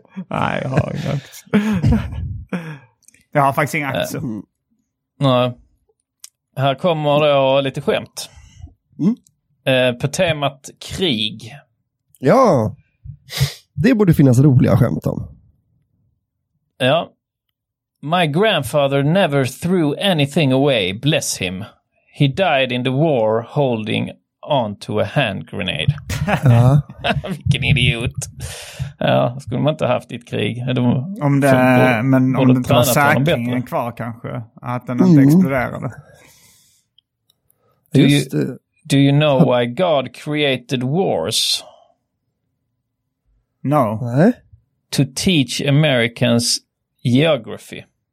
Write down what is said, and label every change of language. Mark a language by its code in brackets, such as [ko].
[sv] Nej, jag har inga aktier. Jag har faktiskt inga aktier. Nej. Här kommer då lite skämt. På temat krig. Ja. Det borde finnas roliga skämt om. Ja. [en] My grandfather never threw anything away, bless him. He died in the war holding on to a hand grenade. [sv] Ja. Vilken idiot. Ja, skulle man inte haft ett krig. Om det, så, men om det inte var säkringen kvar kanske. Att den inte exploderade. [en] Do you know why God created wars? No. To teach Americans geography.